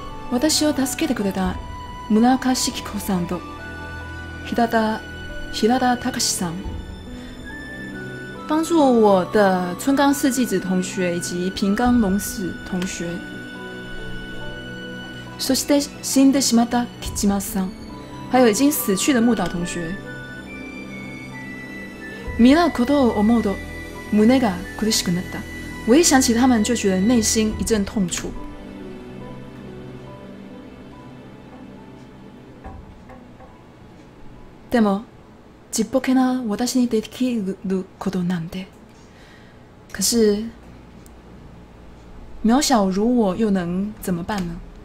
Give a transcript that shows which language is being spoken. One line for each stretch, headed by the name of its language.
Japanese: 私を助けてくれた村岡志希子さんと平田隆さん。
Chinese: 帮助我的村冈四季子同学以及平冈龙子同学。
Japanese: そして死んでしまった木島さん、
Chinese: 还有已经死去的木岛同学。
Japanese: 見なことを思うと胸が苦しくなった。
Chinese: 我一想起他们，就觉得内心一阵痛楚。
Japanese: でもちっぽけな私にできることなんて。
Chinese: 可是渺小如我又能怎么办呢？